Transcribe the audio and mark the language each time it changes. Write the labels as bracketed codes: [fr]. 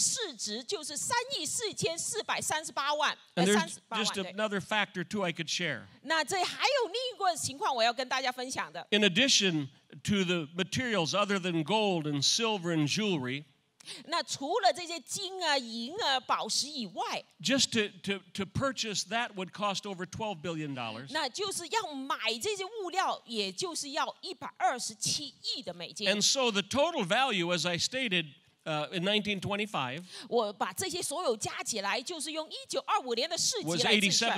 [zh] 所以是1925年的价值市值就是3亿4438万。 [en] And there's just another factor too I could share. [zh] 那这还有另一个情况我要跟大家分享的。 [en] In addition to the materials other than gold and silver and jewelry, [zh] 那除了这些金啊银啊宝石以外， [en] Just to purchase that would cost over $12 billion. [zh] 那就是要买这些物料也就是要127亿的美金。 [en] And so the total value, as I stated, in 1925, [zh] 我把这些所有加起来就是用1925年的市值来计算，